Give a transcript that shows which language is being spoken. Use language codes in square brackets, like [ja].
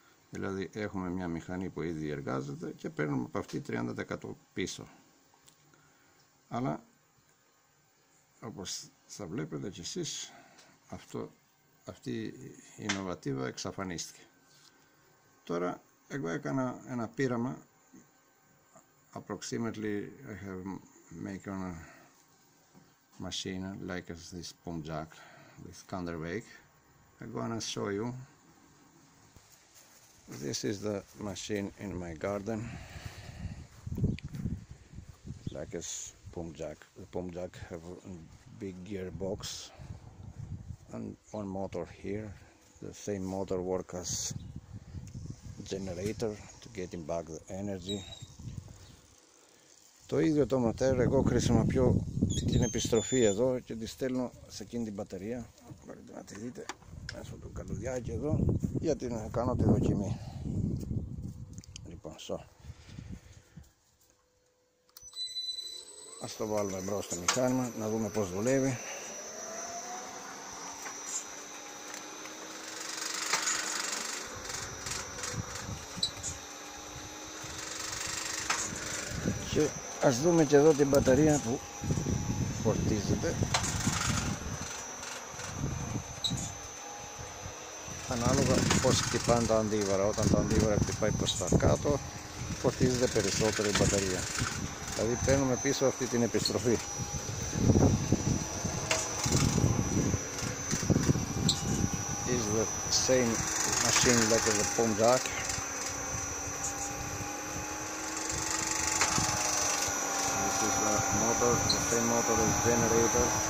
[el] Δηλαδή έχουμε μια μηχανή που ήδη εργάζεται και παίρνουμε από αυτή 30% πίσω. Αλλά, όπως θα βλέπετε κι εσείς, αυτή η ινοβατίβα εξαφανίστηκε. Τώρα, εγώ έκανα ένα πείραμα. [en] Approximately, I have made on a machine like this pump jack with counterweight. I'm gonna show you. This is the machine in my garden, like a pump jack. The pump jack have a big gearbox and one motor here. The same motor work as generator to getting back the energy. [el] Το ίδιο το ματέρ, εγώ χρησιμοποιώ την επιστροφή εδώ και τη στέλνω σε εκείνη την μπαταρία. Μπορείτε να τη δείτε μέσω του καλουδιάκι εδώ, γιατί να κάνω τη δοκιμή. Λοιπόν, ας το βάλουμε μπρος στο μηχάνημα, να δούμε πως δουλεύει. Και ας δούμε και εδώ την μπαταρία που φορτίζεται. ανάλογα πώς χτυπάνε τα αντίβαρα. Όταν τα αντίβαρα χτυπάει προς τα κάτω, φορτίζεται περισσότερο η μπαταρία. Δηλαδή παίρνουμε πίσω αυτή την επιστροφή. [en] Is the same machine like the pump jack. This is the motor, the same motor as generator.